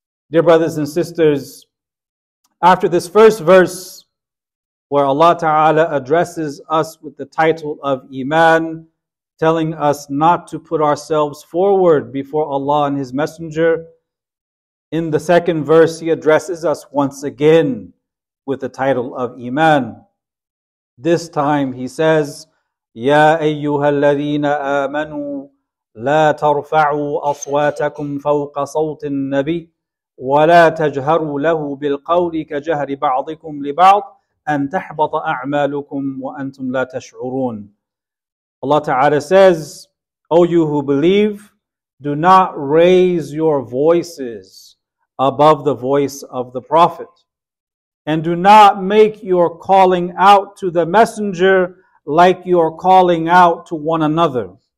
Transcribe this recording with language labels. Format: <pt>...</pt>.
<en>Dear brothers and sisters, after this first verse where Allah Ta'ala addresses us with the title of Iman, telling us not to put ourselves forward before Allah and His Messenger, in the second verse He addresses us once again with the title of Iman. This time He says,</en> <ar>يَا أَيُّهَا الَّذِينَ آمَنُوا لَا تَرْفَعُوا أَصْوَاتَكُمْ فَوْقَ صَوْتِ النَّبِيِّ ولا تجهروا له بالقول كجهر بعضكم لبعض أن تحبط أعمالكم وأنتم لا تشعرون.</ar> <en>Allah Ta'ala says, O you who believe, do not raise your voices above the voice of the Prophet, and do not make your calling out to the Messenger like your calling out to one another.</en>